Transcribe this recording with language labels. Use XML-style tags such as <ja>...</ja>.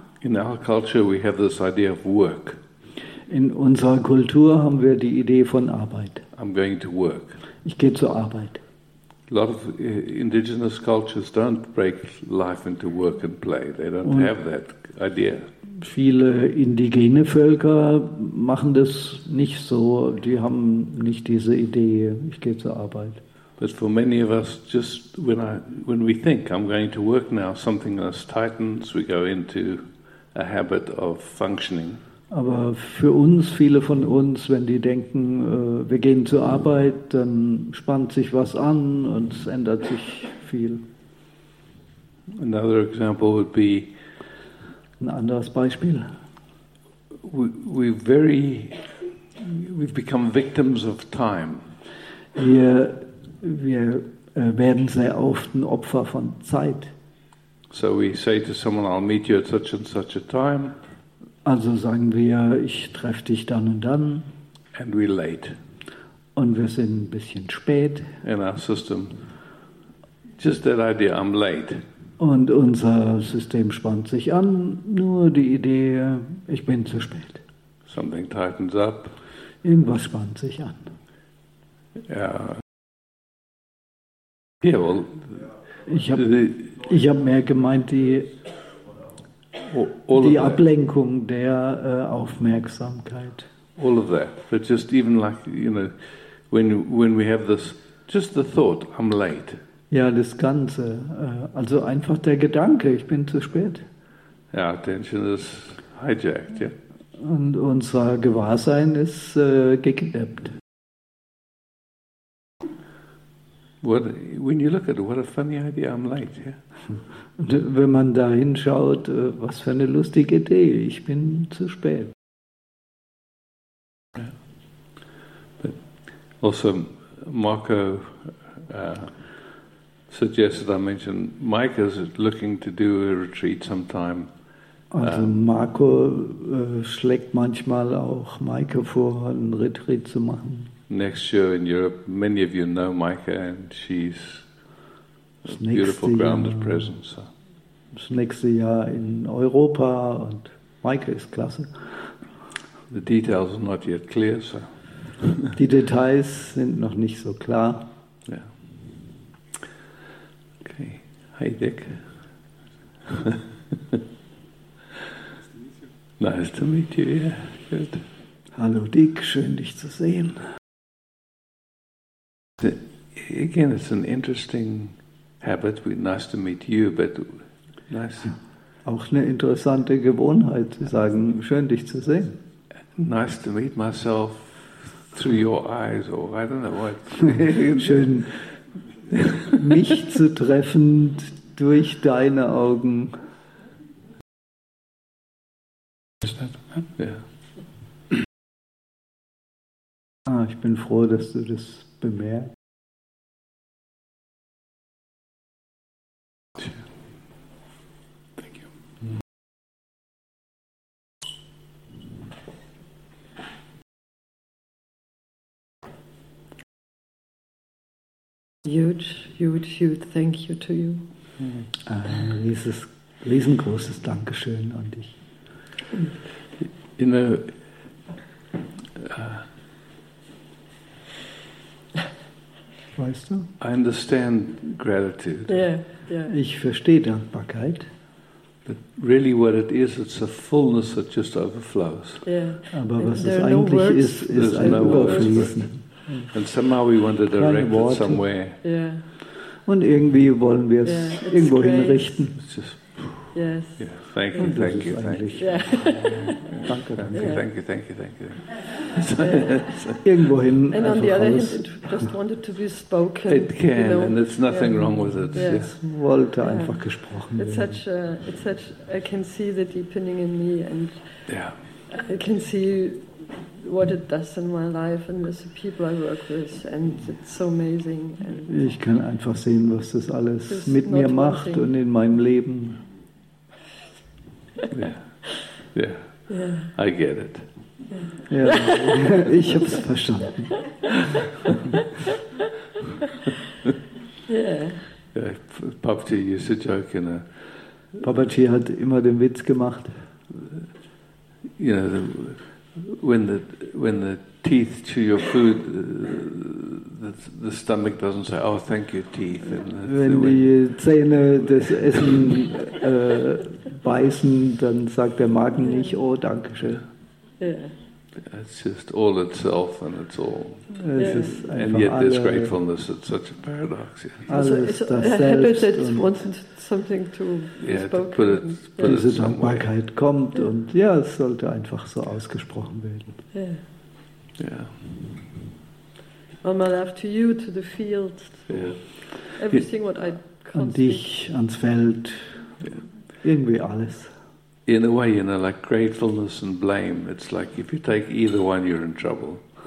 <en>In our culture we have this idea of work.</en> <de>In unserer Kultur haben wir die Idee von Arbeit.</de> <en>I'm going to work.</en> <de>Ich gehe zur Arbeit.</de> <en>A lot of indigenous cultures don't break life into work and play. They don't und have that idea.</en> <de>Viele indigene Völker machen das nicht so. Die haben nicht diese Idee, ich gehe zur Arbeit.</de> <en>But for many of us, just when we think, I'm going to work now, something else tightens, we go into a habit of functioning.</en> <de>Aber für uns, viele von uns, wenn die denken, wir gehen zur Arbeit, dann spannt sich was an und es ändert sich viel.</de> <en>Another example would be.</en> <de>Ein anderes Beispiel.</de> <en>We've become victims of time.</en> <de>Wir werden sehr oft ein Opfer von Zeit.</de> <en>So we say to someone, I'll meet you at such and such a time.</en> <de>Also sagen wir, ich treffe dich dann und dann.</de> <en>And we're late.</en> <de>Und wir sind ein bisschen spät.</de> <en>In our system. Just that idea, I'm late.</en> <de>Und unser System spannt sich an, nur die Idee, ich bin zu spät.</de> <en>Something tightens up.</en> <de>Irgendwas spannt sich an.</de> <en>Yeah, well,</en> <de>ich hab mehr gemeint, die Ablenkung der Aufmerksamkeit.</de> <en>All of that, but just even like, you know, when we have this, just the thought, I'm late.</en> <de>Ja, das Ganze. Also einfach der Gedanke, ich bin zu spät.</de> <en>Ja, attention is hijacked, ja. Yeah.</en> <de>Und unser Gewahrsein ist gekidnappt.</de> <en>When you look at it, what a funny idea, I'm late, yeah.</en> <de>Und wenn man da hinschaut, was für eine lustige Idee, ich bin zu spät.</de> <en>Yeah. But also, Marco. Suggested I mention Mike is looking to do a retreat sometime.</en> <de>Also Marco schlägt manchmal auch Maike vor, einen Retreat zu machen.</de> <en>Next year in Europe, many of you know Maike and she's a beautiful grounded presence. So.</en> <de>Das nächste Jahr in Europa und Maike ist klasse.</de> <en>The details are not yet clear, so.</en> <de>Die Details sind noch nicht so klar.</de> <en>Hey Dick. Nice to meet you. Yeah. Good.</en> <de>Hallo Dick, schön dich zu sehen.</de> <en>Again, it's an interesting habit. Nice to meet you, but nice.</en> <de>Auch eine interessante Gewohnheit, zu sagen, schön dich zu sehen.</de> <en>Nice to meet myself through your eyes, or I don't know what.</en> <de>Schön, mich zu treffen durch deine Augen.</de> <en>Is that right? Yeah.</en> <de>Ah, ich bin froh, dass du das bemerkst.</de> <en>Huge, huge, huge thank you to you.</en> <de>Ein riesiges, riesengroßes Dankeschön an dich.</de> <en>You know,</en> <de>weißt du?</de> <en>I understand gratitude. Yeah, yeah.</en> <de>Ich verstehe Dankbarkeit.</de> <en>But really what it is, it's a fullness that just overflows. Yeah.</en> <de>Aber was es eigentlich ist, ist ein Überfließen.</de> <en>And somehow we want to direct it somewhere. Yeah.</en> <de>Und irgendwie wollen wir es irgendwo hinrichten.</de> <en>It's just, yes. Yeah. Thank you, thank you, thank you.</en> <de>Danke, danke.</de> <en>Thank you, thank you, thank you.</en> <de>Irgendwo hin.</de> <en>And on the other</en> <de>raus.</de> <en>Hand, it just wanted to be spoken. It can, you know? And there's nothing wrong with it. Yes. Yeah.</en> <de>Wollte einfach gesprochen</de> <en>it's</en> <de>werden.</de> <en>It's such. I can see the deepening in me, and yeah. I can see. What it does in my life and with the people I work with, and it's so amazing. And</en> <de>ich kann einfach sehen, was das alles mit mir macht und in meinem Leben.</de> <en>Yeah, yeah, yeah. I get it.</en> <de>Ja, ich hab's verstanden.</de> <en>Yeah. Papaji used to joke in a.</en> <de>Papaji hat immer den Witz gemacht.</de> <en>You know, the, When the teeth chew your food, the stomach doesn't say, "Oh, thank you, teeth."</en> <de>Wenn die Zähne das Essen beißen, dann sagt der Magen nicht, "Oh, danke schön."</de> <en>Yeah. It's just all itself, and it's all.</en> <de>Es ist</de> <en>and yet this gratefulness, it's such a paradox. Yeah.</en> <de>Alles das Selbst.</de> <en>Habit that wanted something to be spoken.</en> <de>Diese Dankbarkeit kommt und ja, es sollte einfach so ausgesprochen werden.</de> <en>Yeah. All my love to you, to the field, everything what I can.</en> <de>An dich, ans Feld, irgendwie alles.</de> <en>In a way, you know, like gratefulness and blame. It's like if you take either one, you're in trouble.</en>